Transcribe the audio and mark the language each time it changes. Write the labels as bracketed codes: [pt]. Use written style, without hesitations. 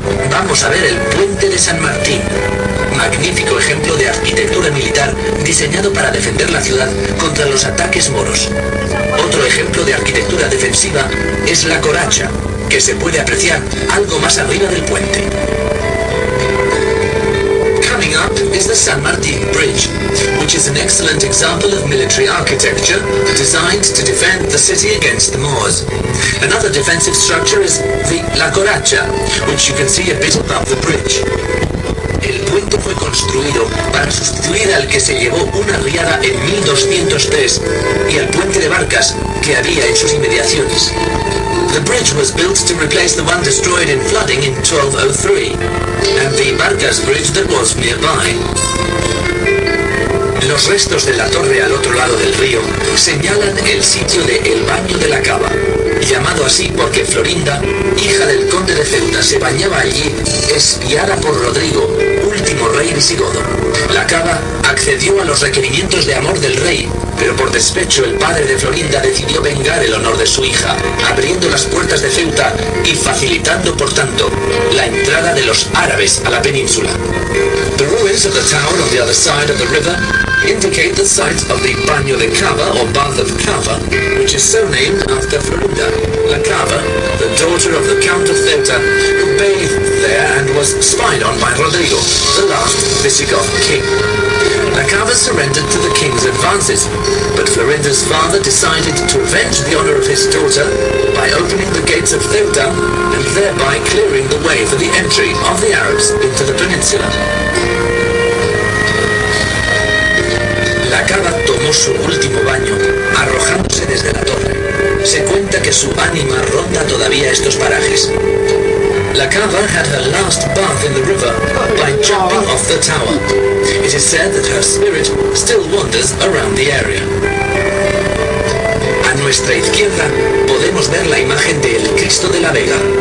[es] Vamos a ver el Puente de San Martín, magnífico ejemplo de arquitectura militar diseñado para defender la ciudad contra los ataques moros. Otro ejemplo de arquitectura defensiva es la coracha, que se puede apreciar algo más arriba del puente. [en] Coming up is the San Martín Bridge, which is an excellent example of military architecture designed to defend the city against the Moors. Another defensive structure is the La Coracha, which you can see a bit above the bridge. [es] El puente fue construido para sustituir al que se llevó una riada en 1203 y al puente de barcas que había en sus inmediaciones. [en] The bridge was built to replace the one destroyed in flooding in 1203, and the Barcas Bridge that was nearby. [es] Los restos de la torre al otro lado del río señalan el sitio de El Baño de la Cava, llamado así porque Florinda, hija del conde de Ceuta, se bañaba allí, espiada por Rodrigo, último rey visigodo. La Cava accedió a los requerimientos de amor del rey, pero por despecho el padre de Florinda decidió vengar el honor de su hija, abriendo las puertas de Ceuta y facilitando, por tanto, la entrada de los árabes a la península. [en] The ruins of the town on the other side of the river indicate the site of the Baño de Cava, or Bath of Cava, which is so named after Florinda, la Cava, the daughter of the Count of Ceuta, who bathed there and was spied on by Rodrigo, the last Visigoth king. La Cava surrendered to the king's advances, but Florinda's father decided to avenge the honor of his daughter by opening the gates of Ceuta and thereby clearing the way for the entry of the Arabs into the peninsula. [es] La Cava tomó su último baño, arrojándose desde la torre. Se cuenta que su ánima ronda todavía estos parajes. [en] La Cava had her last bath in the river by jumping off the tower. It is said that her spirit still wanders around the area. [es] A nuestra izquierda podemos ver la imagen de El Cristo de la Vega.